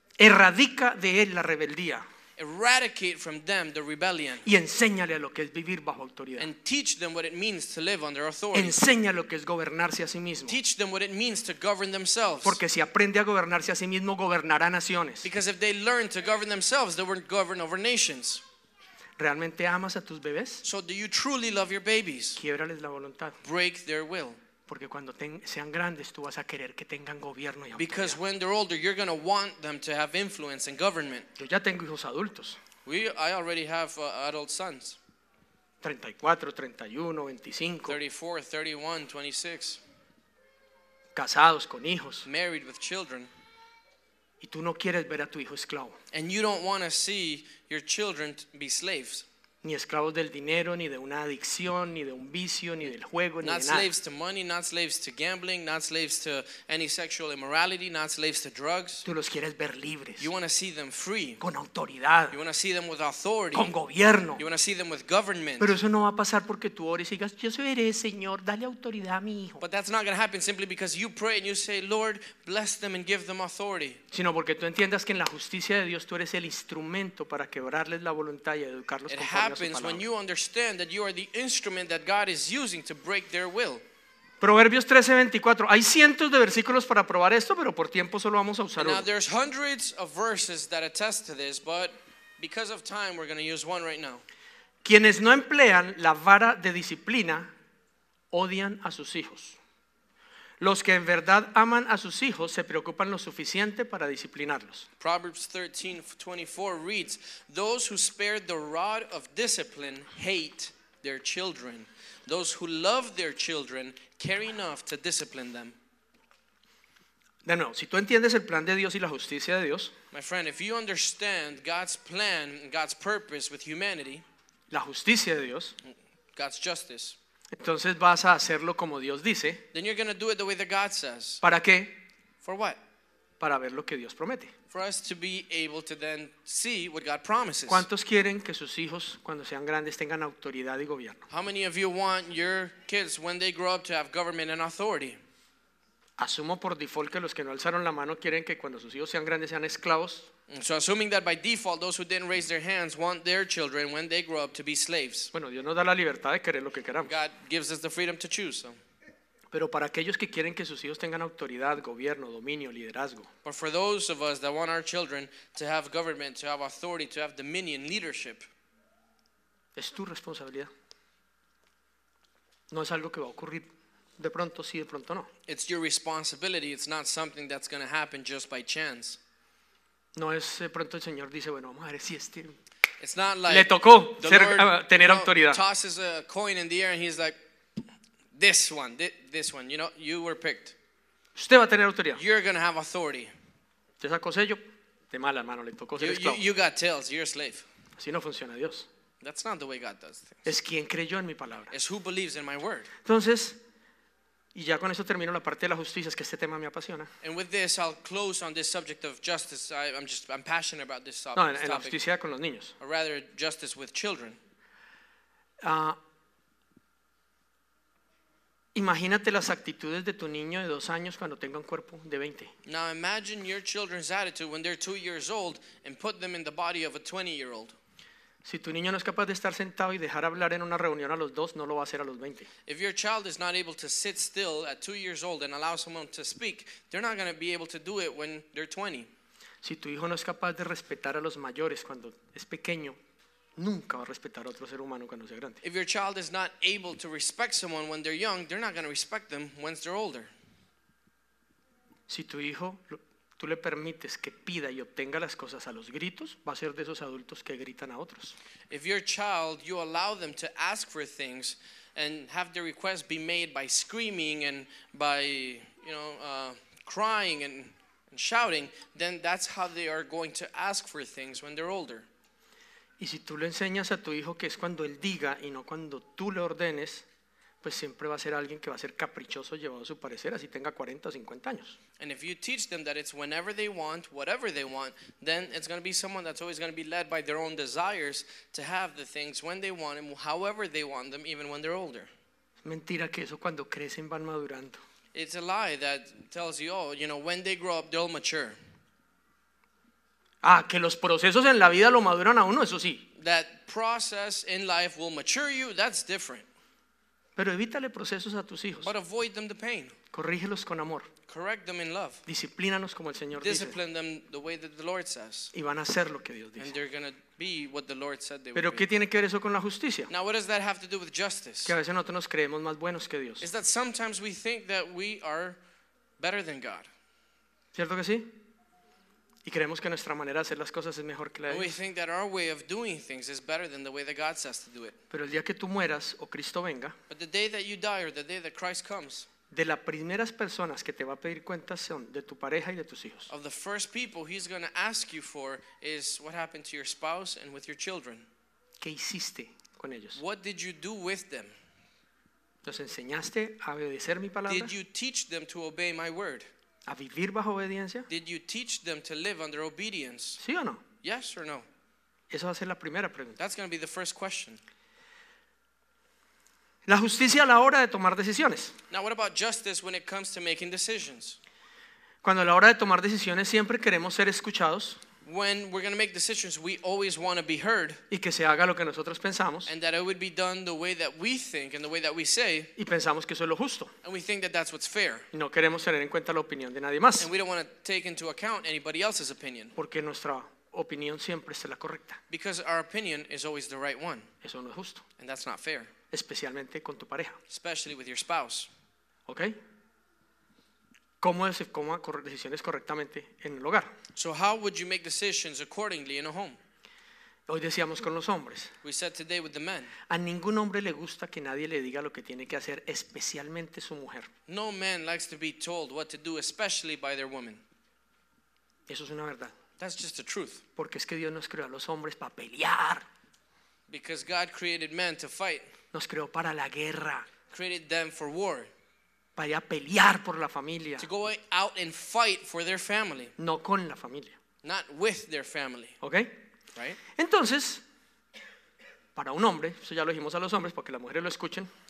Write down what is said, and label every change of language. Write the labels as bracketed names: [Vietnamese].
[Spanish] Erradica de él la rebeldía. [English] Eradicate from them the rebellion. [Spanish] Y enséñale lo que es vivir bajo autoridad. [English] And teach them what it means to live under authority. [Spanish] Enséñale lo que es gobernarse a sí mismo. [English] Teach them what it means to govern themselves. [Spanish] Porque si aprende a gobernarse a sí mismo, gobernará naciones. [English] Because if they learn to govern themselves, they will govern over nations. [Spanish] ¿Realmente amas a tus bebés? [English] So do you truly love your babies? [Spanish] Quiébrales la voluntad. [English] Break their will. [Spanish] Porque cuando sean grandes, tú vas a querer que tengan gobierno y autoridad. [English] Because when they're older, you're going to want them to have influence and government. [Spanish] Yo ya tengo hijos adultos. [English] I already have adult sons. [Spanish] 34, 31, 25. [English] 34, 31, 26. [Spanish] Casados con hijos. [English] Married with children. [Spanish] Y tú no quieres ver a tu hijo esclavo. [English] And you don't want to see your children be slaves. [Spanish] Ni esclavos del dinero, ni de una adicción, ni de un vicio, ni del juego, ni de nada. [English] Not slaves to money, not slaves to gambling, not slaves to any sexual immorality, not slaves to drugs. [Spanish] Tú los quieres ver libres. [English] You want to see them free. [Spanish] Con autoridad. [English] You want to see them with authority. [Spanish] Con gobierno. [English] You want to see them with government. [Spanish] Pero eso no va a pasar porque tú ores y digas, yo seré, Señor, dale autoridad a mi hijo. [English] But that's not going to happen simply because you pray and you say, Lord, bless them and give them authority. [Spanish] Sino porque tú entiendas que en la justicia de Dios tú eres el instrumento para quebrarles la voluntad y educarlos con [English] It happens when you understand that you are the instrument that God is using to break their will. [Spanish] Proverbios 13:24. Hay cientos de versículos para probar esto, pero por tiempo solo vamos a usar uno. [English] Now there's hundreds of verses that attest to this, but because of time, we're going to use one right now. [Spanish] Quienes no emplean la vara de disciplina odian a sus hijos. Los que en verdad aman a sus hijos se preocupan lo suficiente para disciplinarlos. [English] Proverbs 13:24 reads, Those who spare the rod of discipline hate their children. Those who love their children care enough to discipline them. [Spanish] De nuevo, si tú entiendes el plan de Dios y la justicia de Dios, [English] My friend, if you understand God's plan, God's purpose with humanity, [Spanish] la justicia de Dios, [English] God's justice, [Spanish] Entonces vas a hacerlo como Dios dice. [English] Then you're going to do it the way that God says. [Spanish] ¿Para qué? [English] For what? [Spanish] Para ver lo que Dios promete. [English] For us to be able to then see what God promises. [Spanish] ¿Cuántos quieren que sus hijos, cuando sean grandes, tengan autoridad y gobierno? [English] How many of you want your kids, when they grow up, to have government and authority? [Spanish] Asumo por default que los que no alzaron la mano quieren que cuando sus hijos sean grandes sean esclavos. [English] So assuming that by default those who didn't raise their hands want their children when they grow up to be slaves. [Spanish] Bueno, Dios nos da la libertad de querer lo que queramos. [English] God gives us the freedom to choose. So. [Spanish] Pero para aquellos que quieren que sus hijos tengan autoridad, gobierno, dominio, liderazgo. [English] But for those of us that want our children to have government, to have authority, to have dominion, leadership. [Spanish] Es tu responsabilidad. No es algo que va a ocurrir. De pronto sí, de pronto no. [English] It's your responsibility. It's not something that's going to happen just by chance. [Spanish] No es de pronto el Señor dice, bueno, madre, sí, este. [English] It's not like [Spanish] le tocó ser, tener autoridad. [English] Tosses a coin in the air and he's like, this one, you know, you were picked. [Spanish] Usted va a tener autoridad. [English] You're going to have authority. [Spanish] Te sacó sello, de mala mano le tocó ser esclavo. [English] You got tails, you're a slave. [Spanish] Así no funciona Dios. [English] That's not the way God does things. [Spanish] Es quien creyó en mi palabra. [English] It's who believes in my word. [Spanish] Entonces, y ya con eso termino la parte de la justicia, es que este tema me apasiona. [English] And with this, I'll close on this subject of justice. I'm passionate about this topic. [Spanish] No, en la justicia con los niños. [English] Or rather, justice with children. [Spanish] Imagínate las actitudes de tu niño de 2 años cuando tenga un cuerpo de 20. [English] Now imagine your children's attitude when they're 2 years old and put them in the body of a 20-year-old. [Spanish] Si tu niño no es capaz de estar sentado y dejar hablar en una reunión a los 2, no lo va a hacer a los 20. [English] If your child is not able to sit still at 2 years old and allow someone to speak, they're not going to be able to do it when they're 20. [Spanish] Si tu hijo no es capaz de respetar a los mayores cuando es pequeño, nunca va a respetar a otro ser humano cuando sea grande. [English] If your child is not able to respect someone when they're young, they're not going to respect them when they're older. [Spanish] Si tu hijo, tú le permites que pida y obtenga las cosas a los gritos, va a ser de esos adultos que gritan a otros. [English] If your child, you allow them to ask for things and have their requests be made by screaming and by, you know, crying and shouting, then that's how they are going to ask for things when they're older. [Spanish] Y si tú le enseñas a tu hijo que es cuando él diga y no cuando tú le ordenes, pues siempre va a ser alguien que va a ser caprichoso llevado a su parecer, así tenga 40 o 50 años. [English] And if you teach them that it's whenever they want, whatever they want, then it's going to be someone that's always going to be led by their own desires to have the things when they want them, however they want them, even when they're older. [Spanish] Es mentira que eso cuando crecen van madurando. [English] It's a lie that tells you, oh, you know, when they grow up, they'll mature. [Spanish] Ah, que los procesos en la vida lo maduran a uno, eso sí. [English] That process in life will mature you, that's different. [Spanish] Pero evítale procesos a tus hijos. [English] But avoid them the pain. [Spanish] Corrígelos con amor. [English] Correct them in love. [Spanish] Disciplínanos como el Señor dice. [English] Discipline them the way that the Lord says. [Spanish] Y van a hacer lo que Dios dice. [English] And they're going to be what the Lord said they [Spanish] Pero [English] would [Spanish] ¿qué [English] be. [Spanish] Tiene que ver eso con la justicia? [English] Now what does that have to do with justice? [Spanish] Que a veces nosotros nos creemos más buenos que Dios. [English] Is that sometimes we think that we are better than God. [Spanish] ¿Cierto que sí? Y creemos que nuestra manera de hacer las cosas es mejor que la de Dios. [English] We think that our way of doing things is better than the way that God says to do it. [Spanish] Pero el día que tú mueras o Cristo venga, [English] but the day that you die or the day that Christ comes, [Spanish] de las primeras personas que te va a pedir cuentas son de tu pareja y de tus hijos. [English] Of the first people he's going to ask you for is what happened to your spouse and with your children. [Spanish] ¿Qué hiciste con ellos? [English] What did you do with them? [Spanish] ¿Los enseñaste a obedecer mi palabra? [English] Did you teach them to obey my word? [Spanish] ¿A vivir bajo obediencia? [English] Did you teach them to live under obedience? [Spanish] ¿Sí o no? [English] Yes or no? [Spanish] Eso va a ser la primera pregunta. [English] That's going to be the first question. [Spanish] La justicia a la hora de tomar decisiones. [English] Now what about justice when it comes to making decisions? [Spanish] Cuando a la hora de tomar decisiones siempre queremos ser escuchados. [English] When we're going to make decisions, we always want to be heard. [Spanish] Y que se haga lo que nosotros pensamos. [English] And that it would be done the way that we think and the way that we say. [Spanish] Y pensamos que eso es lo justo. [English] And we think that that's what's fair. [Spanish] Y no queremos tener en cuenta la opinión de nadie más. [English] And we don't want to take into account anybody else's opinion. [Spanish] Porque nuestra opinión siempre es la correcta. [English] Because our opinion is always the right one. [Spanish] Eso no es justo. [English] And that's not fair. [Spanish] Especialmente con tu pareja. [English] Especially with your spouse. Okay. [Spanish] ¿Cómo se toma decisiones correctamente en el hogar? [English] So how would you make decisions accordingly in a home? [Spanish] Hoy decíamos con los hombres. [English] We said today with the men. [Spanish] A ningún hombre le gusta que nadie le diga lo que tiene que hacer, especialmente su mujer. [English] No man likes to be told what to do, especially by their woman. [Spanish] Eso es una verdad. [English] That's just the truth. [Spanish] Porque es que Dios nos creó a los hombres para pelear. [English] Because God created men to fight. [Spanish] Nos creó para la guerra. [English] Created them for war. [Spanish] Para ir a pelear por la familia. [English] To go out and fight for their family. [Spanish] No con la familia. [English] Not with their family. Okay. Right. [Spanish] Entonces, para un hombre, eso ya lo dijimos a los hombres, porque las mujeres lo escuchen.